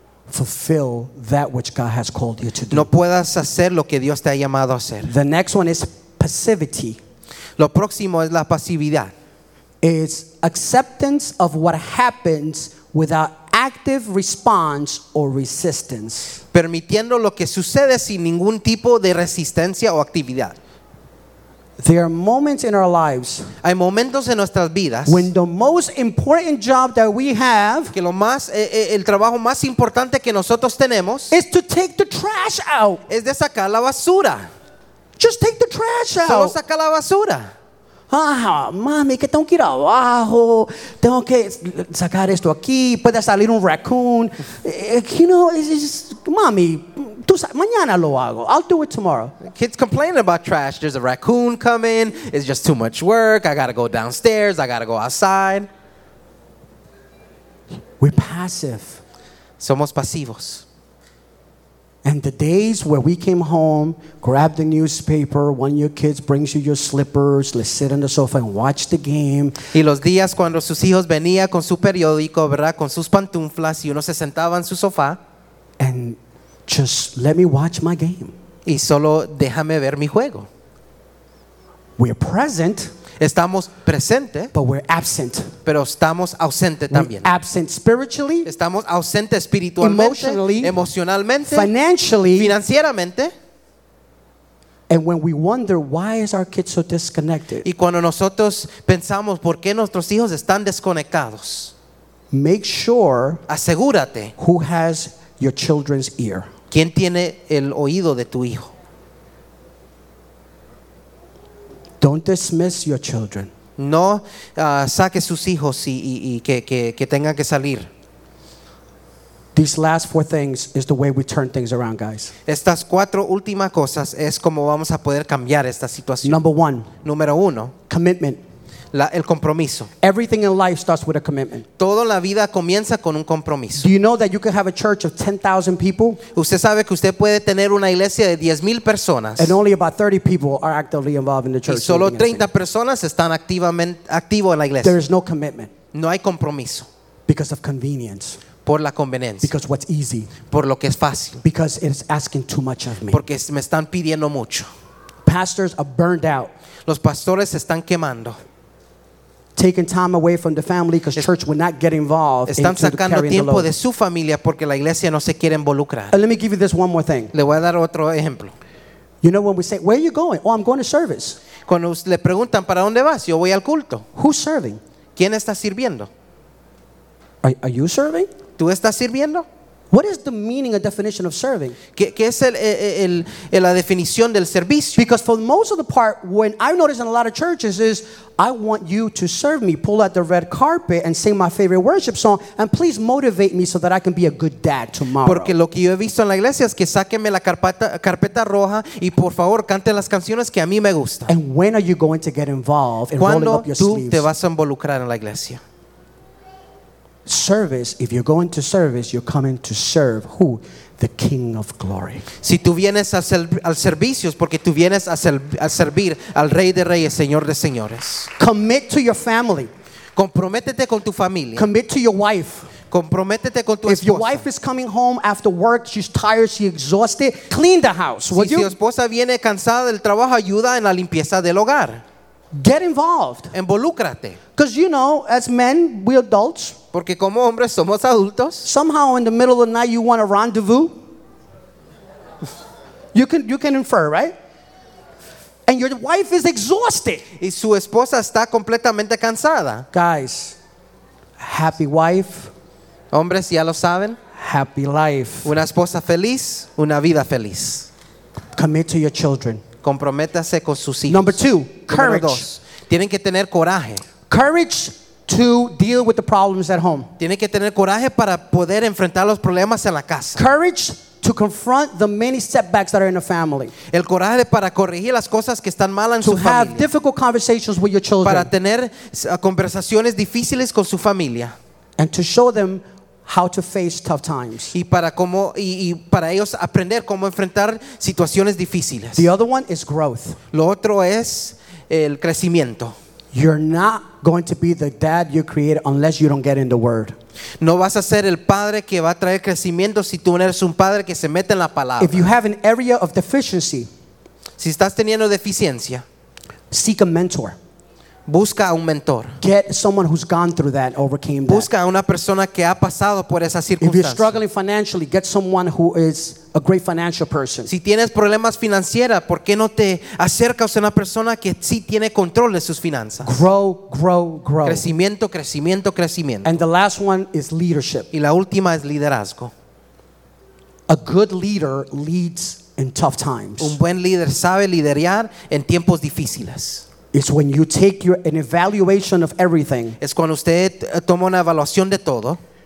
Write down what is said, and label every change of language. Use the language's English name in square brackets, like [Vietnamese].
[English] fulfill that which God has called you to do. [Spanish] No puedas hacer lo que Dios te ha llamado a hacer. [English] The next one is passivity. [Spanish] Lo próximo es la pasividad. [English] It's acceptance of what happens without active response or resistance. [Spanish] Permitiendo lo que sucede sin ningún tipo de resistencia o actividad. [English] There are moments in our lives. [Spanish] Hay momentos en nuestras vidas. [English] When the most important job that we have, [Spanish] que lo más el trabajo más importante que nosotros tenemos, [English] is to take the trash out. [Spanish] Es de sacar la basura. [English] Just take the trash out. [Spanish] Solo saca la basura. Ah, mami, que tengo que ir abajo. Tengo que sacar esto aquí. Puede salir un raccoon. [English] You know, it's just, [Spanish] mami, tú mañana lo hago. [English] I'll do it tomorrow. Kids complain about trash. There's a raccoon coming. It's just too much work. I gotta go downstairs. I gotta go outside. We're passive. [Spanish] Somos pasivos. [English] And the days where we came home, grab the newspaper, one of your kids brings you your slippers, let's sit on the sofa and watch the game. [Spanish] Y los días cuando sus hijos venía con su periódico, ¿verdad? Con sus pantuflas y uno se sentaba en su sofá. [English] And just let me watch my game. [Spanish] Y solo déjame ver mi juego. [English] We're present. [Spanish] Estamos presente, [English] but we're absent. [Spanish] Pero estamos ausente también. [English] We're absent spiritually. [Spanish] Estamos ausente espiritualmente. [English] Emotionally. [Spanish] Emocionalmente. [English] Financially. [Spanish] Financieramente. [English] And when we wonder why is our kids so disconnected. [Spanish] Y cuando nosotros pensamos por qué nuestros hijos están desconectados. [English] Make sure. [Spanish] Asegúrate. [English] Who has your children's ear? [Spanish] ¿Quién tiene el oído de tu hijo? [English] Don't dismiss your children. [Spanish] No saque sus hijos y que tengan que salir. [English] These last four things is the way we turn things around, guys. [Spanish] Estas cuatro últimas cosas es como vamos a poder cambiar esta situación. [English] Number one. [Spanish] Número uno. [English] Commitment. [Spanish] El compromiso. [English] Everything in life starts with a commitment. [Spanish] Todo la vida comienza con un compromiso. [English] Do you know that you can have a church of 10,000 people? [Spanish] Usted sabe que usted puede tener una iglesia de 10,000 personas. [English] And only about 30 people are actively involved in the church. [Spanish] Y solo 30 personas están activo en la iglesia. [English] There is no commitment. [Spanish] No hay compromiso. [English] Because of convenience. [Spanish] Por la conveniencia. [English] Because what's easy. [Spanish] Por lo que es fácil. [English] Because it's asking too much of me. [Spanish] Porque me están pidiendo mucho. [English] Pastors are burned out. [Spanish] Los pastores están quemando. [English] Taking time away from the family because church will not get involved. [Spanish] Están [English] into [Spanish] sacando [English] carrying [Spanish] tiempo [English] the load. [Spanish] De su familia porque la iglesia no se quiere involucrar. [English] And let me give you this one more thing. [Spanish] Le voy a dar otro ejemplo. [English] You know when we say, "Where are you going?" "Oh, I'm going to service." [Spanish] Cuando le preguntan para dónde vas, yo voy al culto. [English] Who's serving? [Spanish] ¿Quién está sirviendo? [English] Are you serving? [Spanish] ¿Tú estás sirviendo? [English] What is the meaning or definition of serving? [Spanish] ¿Qué es la definición del servicio? [English] Because for most of the part, when I've noticed in a lot of churches is, I want you to serve me, pull out the red carpet and sing my favorite worship song, and please motivate me so that I can be a good dad tomorrow. [Spanish] Porque lo que yo he visto en la iglesia es que sáquenme la carpeta roja y por favor cante las canciones que a mí me gustan. [English] And when are you going to get involved in [Spanish] ¿Cuándo [English] rolling up your [Spanish] tú [English] sleeves? [Spanish] Te vas a involucrar en la iglesia? [English] Service, if you're going to service, you're coming to serve who? The King of Glory. [Spanish] Si tú vienes al servicio es porque tú vienes a servir al Rey de Reyes, Señor de Señores. [English] Commit to your family. [Spanish] Comprométete con tu familia. [English] Commit to your wife. [Spanish] Comprométete con tu esposa. [English] If your wife is coming home after work, she's tired, she's exhausted, clean the house, will you? [Spanish] Si tu esposa viene cansada del trabajo, ayuda en la limpieza del hogar. [English] Get involved. [Spanish] Involúcrate. [English] Because you know, as men, we adults. [Spanish] Porque como hombres somos adultos. [English] Somehow in the middle of the night you want a rendezvous. You can infer, right? And your wife is exhausted. [Spanish] Y su esposa está completamente cansada. [English] Guys, happy wife. [Spanish] Hombres ya lo saben. [English] Happy life. [Spanish] Una esposa feliz, una vida feliz. [English] Commit to your children. [Spanish] Comprométase con sus hijos. [English] Number two, courage. [Spanish] Dos, tienen que tener coraje. [English] Courage to deal with the problems at home. [Spanish] Tiene que tener coraje para poder enfrentar los problemas en la casa. [English] Courage to confront the many setbacks that are in a family. [Spanish] El coraje para corregir las cosas que están mal en [English] to [Spanish] su familia. [English] To have difficult conversations with your children. [Spanish] Para tener conversaciones difíciles con su familia. [English] And to show them how to face tough times. [Spanish] Y para cómo y para ellos aprender cómo enfrentar situaciones difíciles. [English] The other one is growth. [Spanish] Lo otro es el crecimiento. [English] You're not going to be the dad you created unless you don't get in the word. [Spanish] No vas a ser el padre que va a traer crecimiento si tú no eres un padre que se mete en la palabra. [English] If you have an area of deficiency, [Spanish] si estás teniendo deficiencia, [English] seek a mentor. [Spanish] Busca a un mentor. [English] Get someone who's gone through that, overcame that. [Spanish] Busca a una persona que ha pasado por esa circunstancia. [English] If you're struggling financially, get someone who is a great financial person. [Spanish] Si tienes problemas financieros, ¿por qué no te acercas a una persona que sí tiene control de sus finanzas? [English] Grow, grow, grow. [Spanish] Crecimiento, crecimiento, crecimiento. [English] And the last one is leadership. [Spanish] Y la última es liderazgo. [English] A good leader leads in tough times. [Spanish] Un buen líder sabe liderar en tiempos difíciles. [English] It's when you take an evaluation of everything. [Spanish] Es cuando usted toma una evaluación de todo.